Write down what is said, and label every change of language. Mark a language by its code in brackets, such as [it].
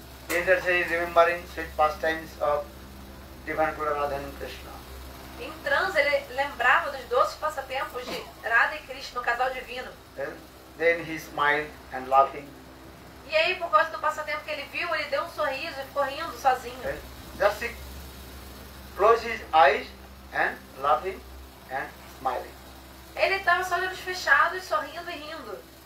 [en] He is actually remembering sweet pastimes of Divine Guru Radha and Krishna. [pt] Em transe, ele lembrava dos doces passatempos de Radha e Krishna, o casal divino. [en] Then he smiled and laughing. [pt] E aí, por causa do passatempo que ele viu, ele deu um sorriso e ficou rindo sozinho. [en] Just he closed his eyes and laughing and smiling. [pt] Ele estava só de olhos fechados, sorrindo e rindo.